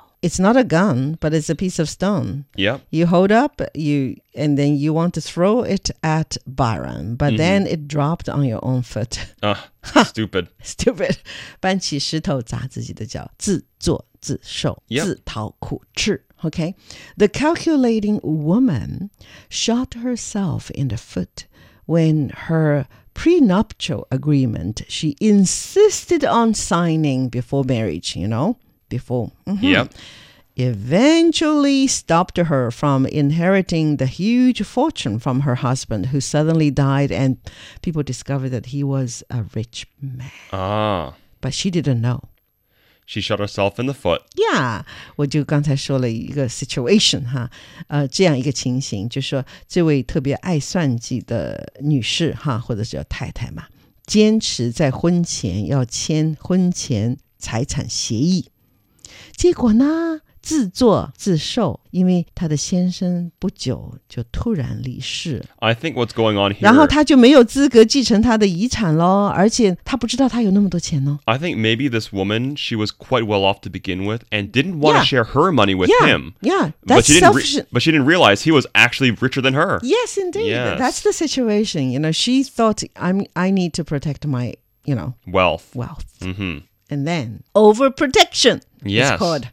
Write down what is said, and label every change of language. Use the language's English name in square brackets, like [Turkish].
[English] It's not a gun, but it's a piece of stone. Yeah. You hold up, and then you want to throw it at Byron, but then it dropped on your own foot. Stupid. Stupid. [Chinese] 搬起石头砸自己的脚, 自作自受, 自讨苦吃. [English] Okay. The calculating woman shot herself in the foot when her prenuptial agreement she insisted on signing before marriage, you know, before. Mm-hmm. Yep. Eventually stopped her from inheriting the huge fortune from her husband who suddenly died and people discovered that he was a rich man. Ah. But she didn't know. She shot herself in the foot. Yeah. [Chinese] 我就刚才说了一个 situation, 这样一个情形,就是说这位特别爱算计的女士,或者叫太太嘛, 坚持在婚前要签婚前财产协议。结果呢, 自作自受，因为他的先生不久就突然离世。 [English] I think what's going on here. [Chinese] 然后他就没有资格继承他的遗产咯，而且他不知道他有那么多钱哦。 [English] I think maybe this woman, she was quite well off to begin with and didn't want to share her money with him. Yeah, that's selfish. But she didn't realize he was actually richer than her. Yes, indeed. Yes. That's the situation. You know, she thought, I need to protect my, you know, wealth. Mm-hmm. And then, overprotection is called.